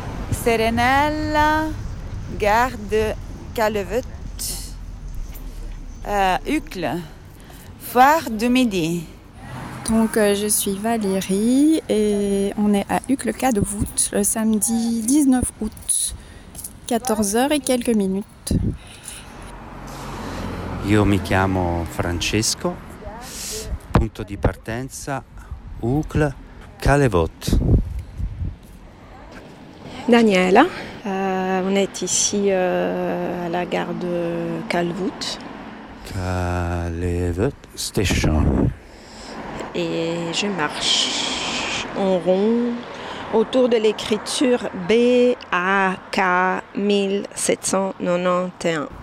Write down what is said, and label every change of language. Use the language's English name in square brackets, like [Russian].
[French] Serenella, gare de Calevoet, UCCLE, foire du midi. Donc je suis Valérie et on est à UCCLE Calevoet le samedi 19 août, 14h et quelques minutes. [Italian] Io mi chiamo Francesco, punto di partenza, UCCLE, Calevoet. [French] Daniela, on est ici à la gare de Calevoet. [English] Calevoet Station. [French] Et je marche en rond autour de l'écriture BAK1791.